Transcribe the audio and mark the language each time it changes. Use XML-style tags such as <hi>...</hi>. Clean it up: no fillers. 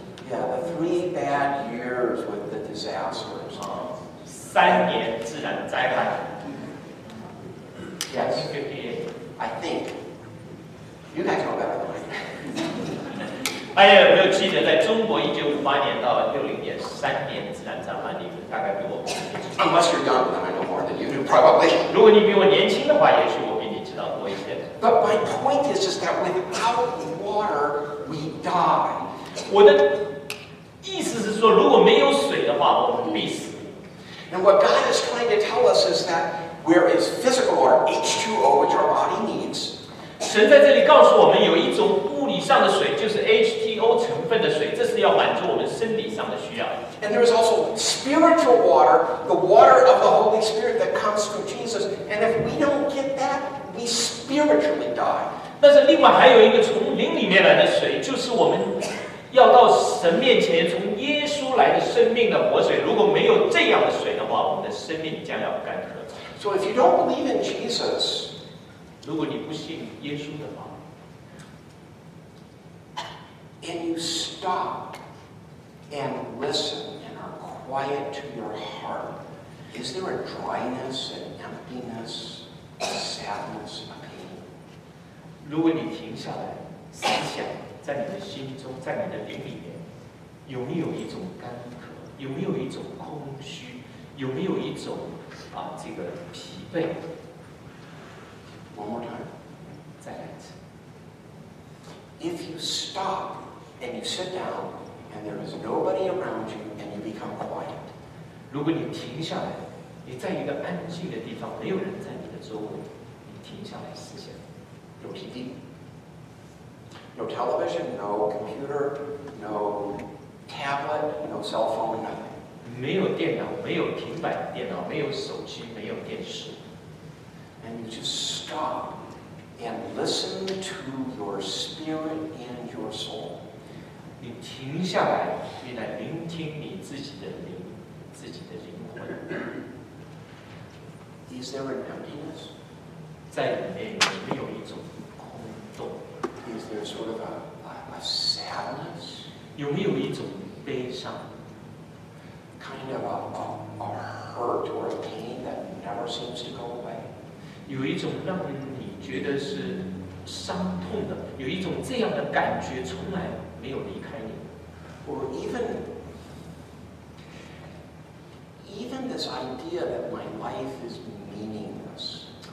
<en>Yeah, the three bad years with the disasters.</en> <zh>三年自然灾害。</zh> <en>Yes, I think you guys know better than I do.</en> <zh>大家有没有记得，在中国1958年到1960年三年自然灾害，你们大概比我多。</zh> <en>Unless you're younger than I know more than you do, probably.</en> <zh>如果你比我年轻的话，也许我比你知道多一些。</zh> <en>But my point is just that without water, we die.</en> <zh>我的意思是说，如果没有水的话，我们必死。</zh> <en>And what God is trying to tell us is that. Where is physical or H2O, which our body needs?</en> <zh>神在这里告诉我们，有一种物理上的水，就是 H2O 成分的水，这是要满足我们生理上的需要。</zh> <en>And there is also spiritual water, the water of the Holy Spirit that comes through Jesus. And if we don't get that, we spiritually die.</en> <zh>但是另外还有一个从灵里面来的水，就是我们要到神面前，从耶稣来的生命的活水。如果没有这样的水的话，我们的生命将要干渴。</zh> <en>So if you don't believe in Jesus,</en> <zh>如果你不信耶稣的话，</zh> <en>and you stop and listen and are quiet to your heart, is there a dryness and emptiness sadness, a pain.</en> <zh>如果你停下来思想，在你的心中，在你的灵里面，有没有一种干渴？有没有一种空虚？有没有一种这个疲惫</zh> <en>？One more time.</en> <zh>再来一次。</zh> <en>If you stop and you sit down and there is nobody around you and you become quiet.</en> <zh>如果你停下来，你在一个安静的地方，没有人在你的周围，你停下来思想，</zh> <en>有 TV, no television, no computer, no tablet, no cell phone, nothing.</en> <zh>没有电脑，没有平板电脑，没有手机，没有电视。</zh> <en>And you just stop and listen to your spirit and your soul.</en> <zh>你停下来，你来聆听你自己的灵，自己的灵魂。</zh> <en>Is there an emptiness?</en> <zh>在里面有没有一种空洞？</zh> <en>Is there sort of a sadness?</en> <zh>有没有一种悲伤？</zh> <en>Kind of a hurt or a pain that never seems to go away?</en> <zh>有一种让你觉得是伤痛的，有一种这样的感觉从来没有离开你。</zh> <en>Or even this idea that my life is meaningless.</en>